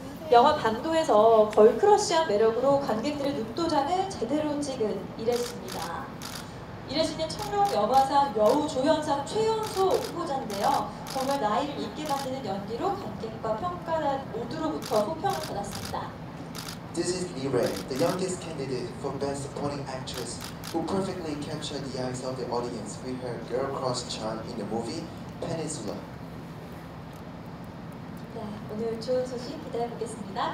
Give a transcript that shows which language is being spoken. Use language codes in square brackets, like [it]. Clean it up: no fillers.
[ko] 영화 반도에서 걸크러쉬한 매력으로 관객들의 눈도장을 제대로 찍은 이래씨입니다. 이래씨는 청룡 여마상 여우 조연상 최연소 후보자인데요. 정말 나이를 잊게 만드는 연기로 관객과 평가단 모두로부터 호평을 받았습니다. [en] This is Lee Ray, the youngest candidate for Best Supporting Actress, who perfectly captured the eyes of the audience with her girl-crush charm in the movie Peninsula. [ko] 네, 오늘 좋은 소식 기대해 보겠습니다.